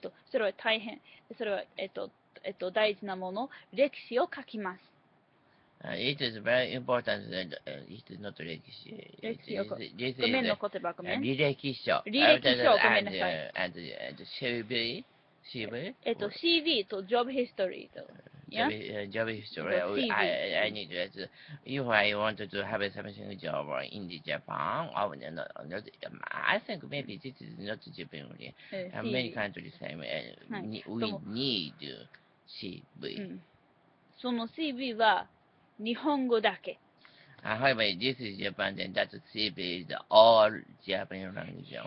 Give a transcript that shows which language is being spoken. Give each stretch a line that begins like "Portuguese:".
Japanese: それは大変、それは大事なもの、歴史を書きます。
English: It is very important that it is not 歴史。
Japanese: 歴史を、ごめんの言葉、ごめん。履歴書。履歴書をごめんなさい。
English: And CV? CV と Job History と。 Job history. I need to ask if I want to have something job in Japan. Or not, I think maybe this is not Japan only. Many countries same. We need CV.
Japanese: その CV は日本語だけ。
English: However, this is Japan, then that CV is all Japanese language.